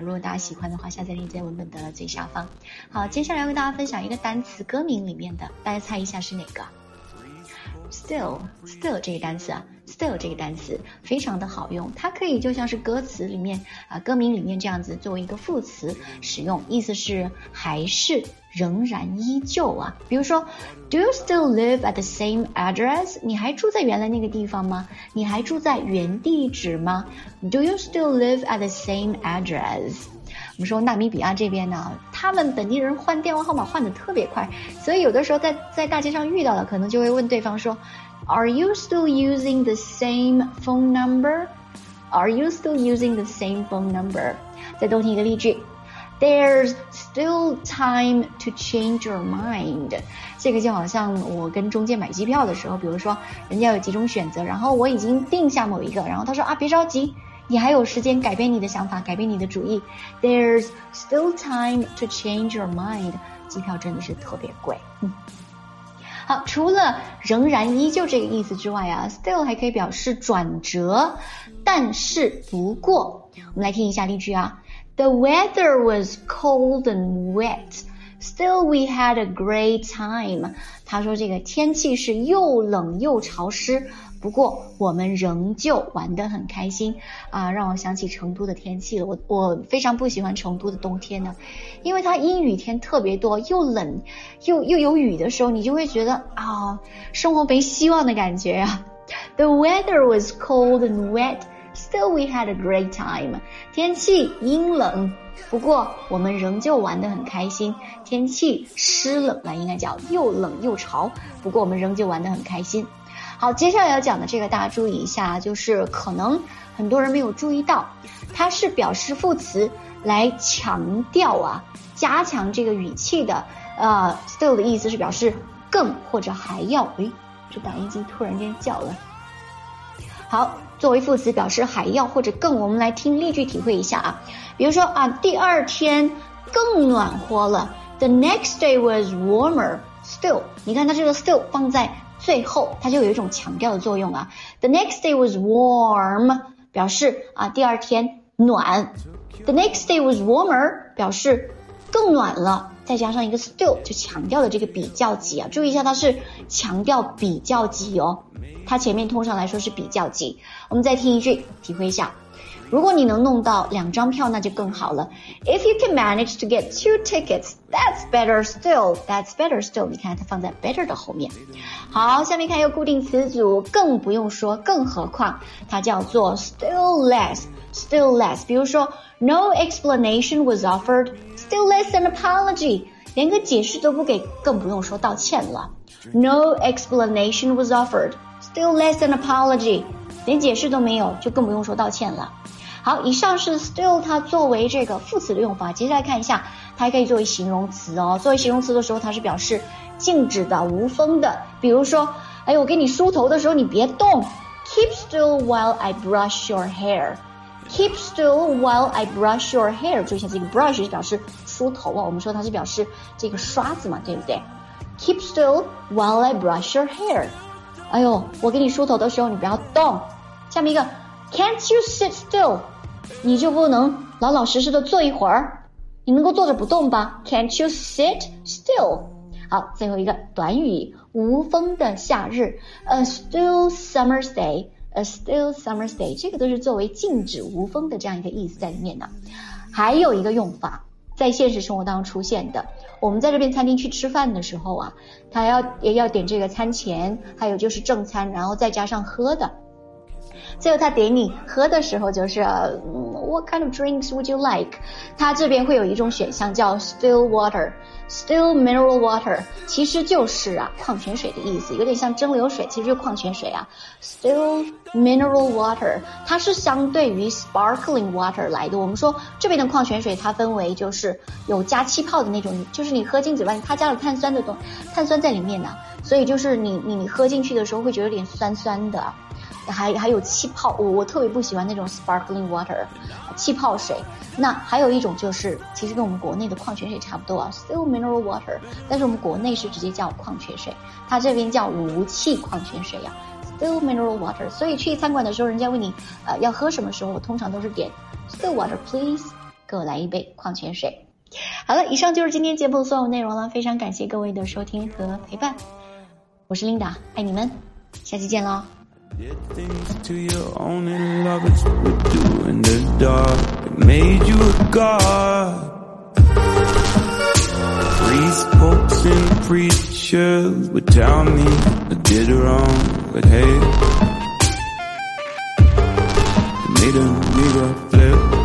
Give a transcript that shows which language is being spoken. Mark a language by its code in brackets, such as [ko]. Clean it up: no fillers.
[zh] 如果大家喜欢的话，下载链接文本的最下方。好，接下来为大家分享一个单词歌名里面的，大家猜一下是哪个。 Still 这个单词啊， Still 这个单词非常的好用，它可以就像是歌词里面啊，歌名里面这样子作为一个副词使用，意思是还是仍然依旧啊。比如说 [en] Do you still live at the same address? [zh] 你还住在原来那个地方吗？你还住在原地址吗？ [en] Do you still live at the same address? [zh] 我们说纳米比亚这边呢，他们本地人换电话号码换得特别快，所以有的时候在大街上遇到了，可能就会问对方说 [en] Are you still using the same phone number? Are you still using the same phone number? [zh] 再多听一个例句， [en] There's still time to change your mind. [zh] 这个就好像我跟中介买机票的时候，比如说人家有几种选择，然后我已经定下某一个，然后他说啊，别着急，你还有时间改变你的想法，改变你的主意。 [en] There's still time to change your mind. [zh] 机票真的是特别贵。嗯，好，除了仍然依旧这个意思之外啊， still 还可以表示转折，但是不过。我们来听一下例句啊。 [en] The weather was cold and wet. Still we had a great time. [zh] 他说这个天气是又冷又潮湿，不过我们仍旧玩得很开心啊，让我想起成都的天气了。我非常不喜欢成都的冬天呢，因为它阴雨天特别多，又冷又有雨的时候，你就会觉得啊，生活没希望的感觉啊。 [en] The weather was cold and wet. Still we had a great time. [zh] 天气阴冷，不过我们仍旧玩得很开心。天气湿冷了，应该叫又冷又潮，不过我们仍旧玩得很开心。好，接下来要讲的这个大家注意一下，就是可能很多人没有注意到，它是表示副词来强调啊，加强这个语气的。 still 的意思是表示更或者还要。诶，这打印机突然间叫了。好，作为副词表示还要或者更，我们来听例句体会一下啊。比如说啊，第二天更暖和了， [en] The next day was warmer. [zh] Still， 你看它这个 still 放在最后，它就有一种强调的作用啊。 [en] The next day was warm， [zh] 表示啊第二天暖。 [en] The next day was warmer， [zh] 表示更暖了，再加上一个 still， 就强调了这个比较级啊。注意一下，它是强调比较级哦。它前面通常来说是比较级。我们再听一句，体会一下。如果你能弄到两张票，那就更好了。 [en] If you can manage to get two tickets, that's better still. That's better still. [zh] 你看它放在 better 的后面。好，下面看一个固定词组，更不用说，更何况，它叫做 still less, still less. 比如说 [en] ，No explanation was offered, still less an apology. [zh] 连个解释都不给，更不用说道歉了。 [en] No explanation was offered, still less an apology. [zh] 连解释都没有，就更不用说道歉了。好，以上是 still 它作为这个副词的用法。接下来看一下，它还可以作为形容词哦。作为形容词的时候，它是表示静止的、无风的。比如说，哎，我给你梳头的时候，你别动。 [en] Keep still while I brush your hair. Keep still while I brush your hair. [zh] 注意一下，这个 brush 是表示梳头啊，我们说它是表示这个刷子嘛，对不对 ？ [en] Keep still while I brush your hair. [zh] 哎呦，我给你梳头的时候，你不要动。下面一个。 [en] Can't you sit still? [zh] 你就不能老老实实的坐一会儿？你能够坐着不动吧？ [en] Can't you sit still? [zh] 好，最后一个短语，无风的夏日， [en] A still summer's day, A still summer's day. [zh] 这个都是作为静止无风的这样一个意思在里面的。还有一个用法，在现实生活当中出现的，我们在这边餐厅去吃饭的时候啊，他也要点这个餐前，还有就是正餐，然后再加上喝的。最后他点你喝的时候就是 [en] What kind of drinks would you like? [zh] 他这边会有一种选项叫 still water, still mineral water, 其实就是啊矿泉水的意思，有点像蒸馏水，其实就是矿泉水啊。 still mineral water, 它是相对于 sparkling water 来的。我们说这边的矿泉水它分为就是有加气泡的那种，就是你喝进嘴巴它加了碳酸在里面呢、啊、所以就是你喝进去的时候会觉得有点酸酸的。还有气泡，我特别不喜欢那种 sparkling water, 气泡水。那还有一种就是其实跟我们国内的矿泉水差不多啊， still mineral water, 但是我们国内是直接叫矿泉水，它这边叫无气矿泉水啊， still mineral water. 所以去餐馆的时候，人家问你要喝什么时候，我通常都是点 [en] still water please, [zh] 给我来一杯矿泉水。好了，以上就是今天节目的所有内容了，非常感谢各位的收听和陪伴。我是 Linda, 爱你们，下期见咯。 [en] Did things to your own in love, it's what we do in the dark. It made you a god. Priests, popes, and preachers would tell me I did wrong, but hey, it made a mirror flip.